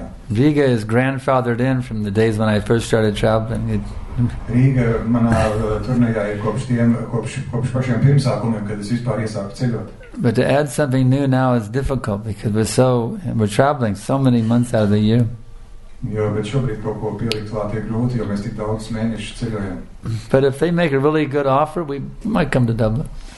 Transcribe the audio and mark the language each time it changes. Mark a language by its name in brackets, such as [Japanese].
[English] Riga is grandfathered in from the days when I first started traveling. [Latvian] Riga manā turnejā ir kopš tiem, kopš pašiem pirmsākumiem, kad es vispār iesāku ceļot. [English] But to add something new now is difficult because we're traveling so many months out of the year. [Latvian] Jo, bet šobrīd kaut ko pielikt vēl tiek grūti, jo mēs tik daudz mēnešu ceļojam. [English] But if they make a really good offer, we might come to Dublin.